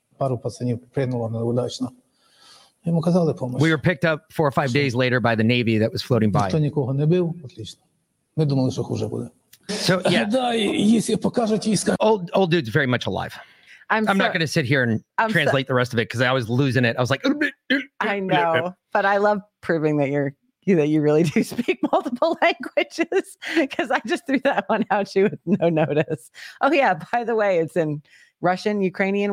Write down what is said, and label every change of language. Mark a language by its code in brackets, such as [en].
[uk] Пару пацанів прийняло неудачно. Їм оказали помощь. [en] We were picked up 4 or 5 days later by the Navy that was floating by. [uk] Ніхто нікого не бив, отлично. Ми думали, що хуже буде. [en] So, yeah. [uk] Да, їх покажуть, їх скажуть. [en] Old dude's very much alive. I'm not going to sit here and translate the rest of it because I was losing it. I was like... I know, but I love proving that you really do speak multiple languages because I just threw that one out to you with no notice. Oh yeah, by the way, it's in Russian, Ukrainian.